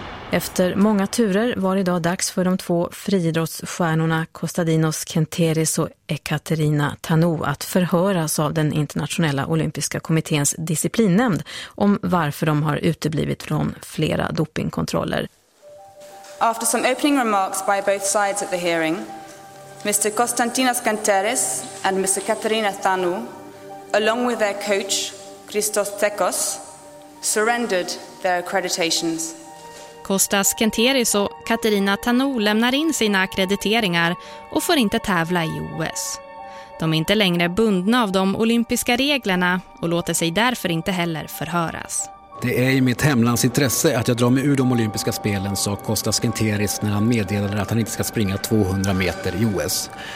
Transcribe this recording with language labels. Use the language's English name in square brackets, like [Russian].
[Swedish] Efter många turer var idag dags för de två friidrottsstjärnorna Kostadinos Kenteris och Ekaterina Tanou att förhöras av den internationella olympiska kommitténs disciplinnämnd om varför de har uteblivit från flera dopingkontroller. [English] After some opening remarks by both sides at the hearing, Mr. Kostadinos Kenteris and Mr. Ekaterina Tanou, along with their coach Christos Tsekos, surrendered their accreditations. [Swedish] Kostas Kenteris och Katerina Tanou lämnar in sina akkrediteringar och får inte tävla i OS. De är inte längre bundna av de olympiska reglerna och låter sig därför inte heller förhöras. Det är i mitt hemlands intresse att jag drar mig ur de olympiska spelen, sa Kostas Kenteris när han meddelade att han inte ska springa 200 meter i OS.